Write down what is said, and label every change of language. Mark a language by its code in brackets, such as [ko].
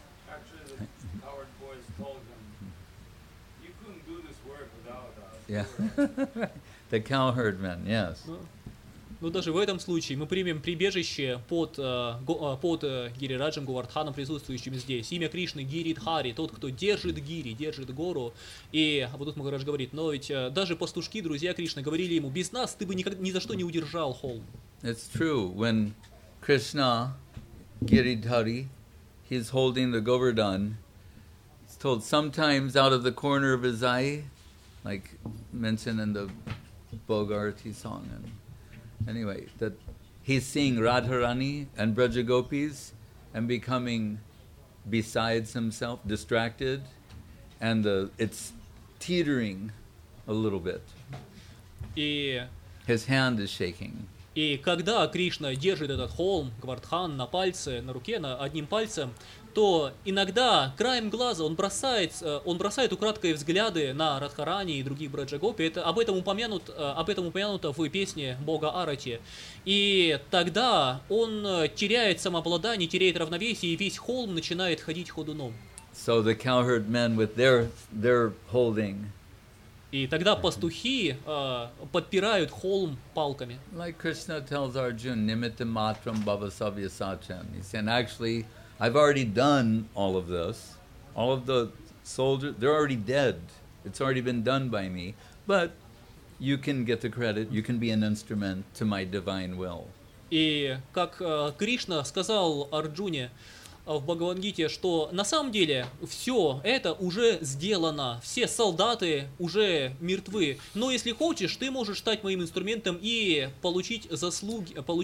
[en] Actually, Howard Boyce told him, you couldn't do this work without us. Yeah. The cowherd man, yes. [ru] Ну, даже в этом случае мы примем прибежище под Гирираджем Говардханом, присутствующим здесь. Имя Кришны Гиридхари, тот, кто держит Гири, держит гору. И вот тут Махарадж говорит, но ведь даже пастушки, друзья Кришны, говорили ему, без нас ты бы никогда ни за что не удержал холм. [en] It's true. When Krishna... Giridhari, he's holding the Govardhan. He's told sometimes out of the corner of his eye, like mentioned in the Bhogarati song. And anyway, that he's seeing Radharani and Brajagopis and becoming besides himself, distracted, and it's teetering a little bit. His hand is shaking. [ru] И когда Кришна держит этот холм, Говардхан, на пальце, на руке, на одним пальцем, то иногда краем глаза он бросает украдкой взгляды на Радхарани и других Браджагопи. Об этом упомянуто в песне Бога Арати. И тогда он теряет самообладание, теряет равновесие, и весь холм начинает ходить ходуном. [en] So the cowherd men with their holding. [ru] И тогда пастухи подпирают холм палками. [en] Like Krishna tells Arjuna, [sa] nimitta matram bhavasavya sachem. [en] He's saying, actually, I've already done all of this. All of the soldiers, they're already dead. It's already been done by me. But you can get the credit, you can be an instrument to my divine will. [ru] И как Кришна сказал Арджуне, в Бхагавад-гите, что на самом деле все это уже сделано, все солдаты уже мертвы. Но если хочешь, ты можешь стать моим инструментом и получить заслуги.